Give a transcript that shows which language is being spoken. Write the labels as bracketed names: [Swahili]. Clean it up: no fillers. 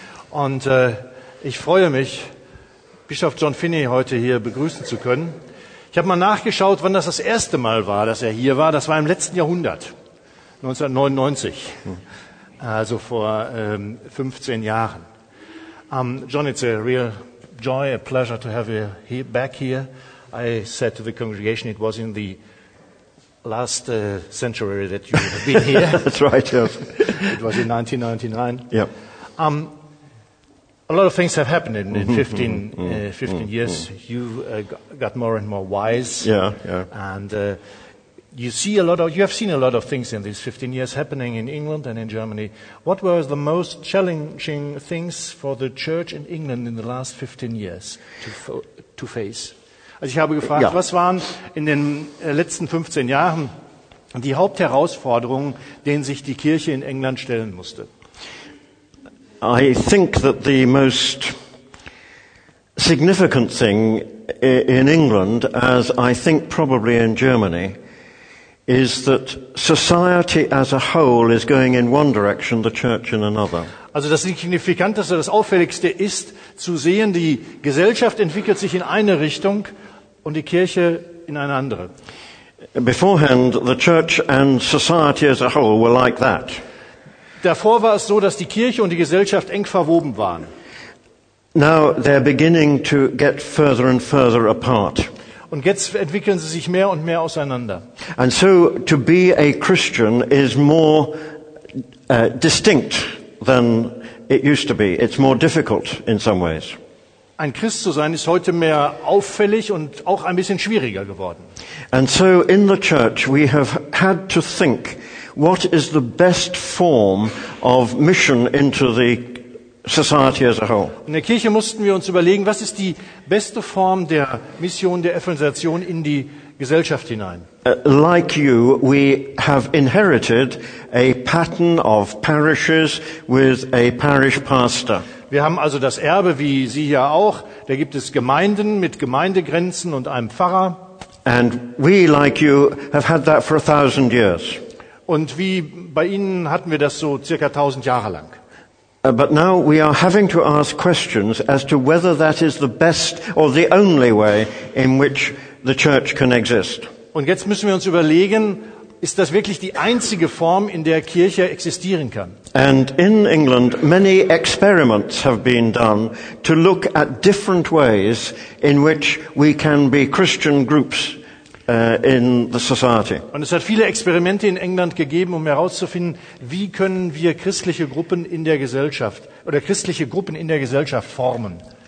[German] Und ich freue mich, Bischof John Finney heute hier begrüßen zu können. Ich habe mal nachgeschaut, wann das erste Mal war, dass er hier war. Das war im letzten Jahrhundert, 1999, also vor 15 Jahren. [English] John, it's a real joy, a pleasure to have you here, back here. I said to the congregation, it was in the last century that you have been here. That's right, yes. It was in 1999. Yep. A lot of things have happened in 15 years. Mm-hmm. You got more and more wise. Yeah, yeah. And you have seen a lot of things in these 15 years happening in England and in Germany. What were the most challenging things for the church in England in the last 15 years to face? [German] Also ich habe gefragt, ja, was waren in den letzten 15 Jahren die Hauptherausforderungen, denen sich die Kirche in England stellen musste? [English] I think that the most significant thing in England, as I think probably in Germany, is that society as a whole is going in one direction, the church in another. [German] Also das Signifikanteste, das Auffälligste ist zu sehen, die Gesellschaft entwickelt sich in eine Richtung und die Kirche in eine andere. [English] Beforehand, the church and society as a whole were like that. [German] Davor war es so, dass die Kirche und die Gesellschaft eng verwoben waren. [English] Now they're beginning to get further and further apart. [German] Und jetzt entwickeln sie sich mehr und mehr auseinander. [English] And so to be a Christian is more distinct than it used to be. It's more difficult in some ways. [German] Ein Christ zu sein ist heute mehr auffällig und auch ein bisschen schwieriger geworden. [English] And so in the church we have had to think, what is the best form of mission into the society as a whole? [German] In der Kirche mussten wir uns überlegen, was ist die beste Form der Mission, der Evangelisation in die Gesellschaft hinein? [English] Like you, we have inherited a pattern of parishes with a parish pastor. [German] Wir haben also das Erbe, wie Sie ja auch. Da gibt es Gemeinden mit Gemeindegrenzen und einem Pfarrer. [English] And we, like you, have had that for 1,000 years. [German] Und wie bei Ihnen hatten wir das so circa 1,000 Jahre lang. [English] But now we are having to ask questions as to whether that is the best or the only way in which the church can exist. [German] Und jetzt müssen wir uns überlegen, ist das wirklich die einzige Form, in der Kirche existieren kann? [English] And in England many experiments have been done to look at different ways in which we can be Christian groups in the society. [German] Und es hat viele Experimente in England gegeben, um herauszufinden, wie können wir christliche Gruppen in der Gesellschaft oder christliche Gruppen in der Gesellschaft formen?